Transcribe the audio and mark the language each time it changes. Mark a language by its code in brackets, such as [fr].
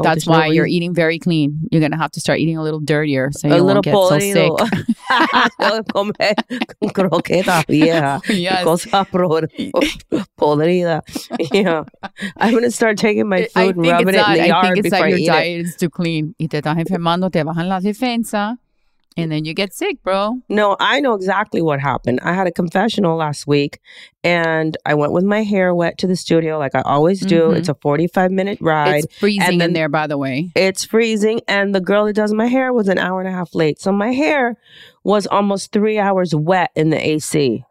[en] That's why you're eating very clean. You're going to have to start eating a little dirtier so you don't get so sick. A little croqueta, yeah. Yes. [es] Cosa podrida. Yeah. [en] I'm going to start taking my food and rubbing it in the yard before I eat it. I think it's like your diet is too clean. [es] Y te estás enfermando, te bajan las defensas. [en] And then you get sick, bro. No, I know exactly what happened. I had a confessional last week and I went with my hair wet to the studio like I always do. Mm-hmm. It's a 45-minute ride. It's freezing and then, in there, by the way. It's freezing. And the girl that does my hair was an hour and a half late. So my hair was almost 3 hours wet in the AC.